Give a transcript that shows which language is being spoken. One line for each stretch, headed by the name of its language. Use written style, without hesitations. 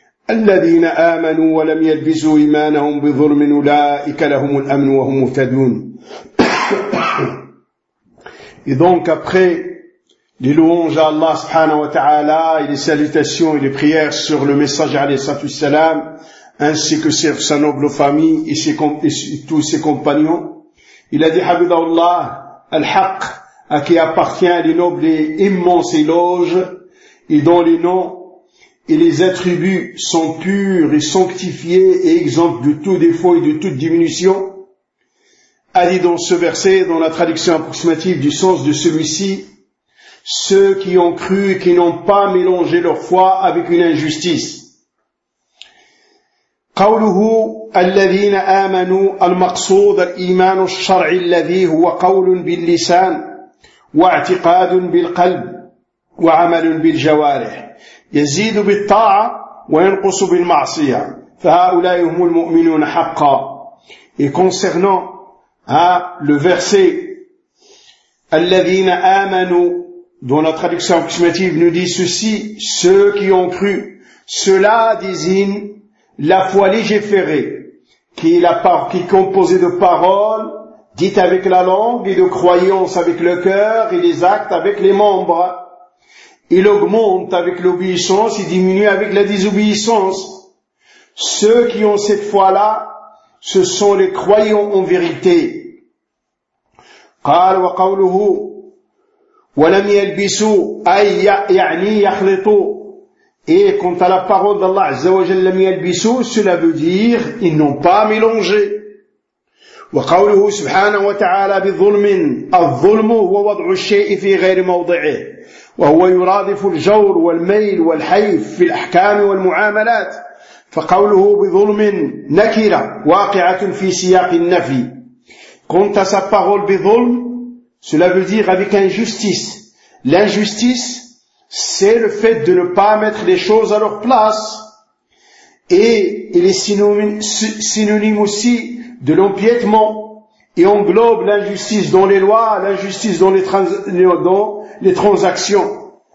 Arabic: الذين آمنوا ولم يلبسوا إيمانهم بظلم أولئك لهم الأمن وهم مهتدون.
French: Et donc après les louanges à Allah subhanahu wa ta'ala et les salutations et les prières sur le messager alayhi salatu wassalam ainsi que sur sa noble famille et tous ses compagnons, il a dit Habibullah al-Haq, à qui appartient les nobles et immenses éloges et dont les noms et les attributs sont purs et sanctifiés et exempts de tout défaut et de toute diminution, a dit dans ce verset, dans la traduction approximative du sens de celui-ci, ceux qui ont cru et qui n'ont pas mélangé leur foi avec une injustice.
Arabic: قوله الذين آمنوا المقصود الإيمان الشرعي الذي هو قول باللسان واعتقاد بالقلب وعمل بالجوارح يزيد بالطاعة وينقص بالمعصية فهؤلاء هم المؤمنون حقا.
French: Et concernant le verset الذين آمنوا, dont la traduction approximative nous dit ceci, ceux qui ont cru, cela désigne la foi légiférée qui est composée de paroles dites avec la langue et de croyances avec le cœur et les actes avec les membres. Il augmente avec l'obéissance et diminue avec la désobéissance. Ceux qui ont cette foi-là, ce sont les croyants en vérité.
Arabic: قال وقوله ولم يلبسوا أي يعني يخلطوا.
French: Et quant à la parole d'Allah
Arabic: عز وجل لم يلبسوا,
French: cela veut dire ils n'ont pas mélangé.
Arabic: وقوله سبحانه وتعالى بظلم. الظلم هو وضع الشيء في غير موضعه. وهو يرادف الجور والميل والحيف في الأحكام والمعاملات فقوله بظلم نكرة واقعة في سياق النفي.
French: Quant à sa parole بظلم, cela veut dire avec injustice. L'injustice, c'est le fait de ne pas mettre les choses à leur place. Et il est synonyme aussi de l'empiètement. Et englobe l'injustice dans les lois, l'injustice dans les transactions.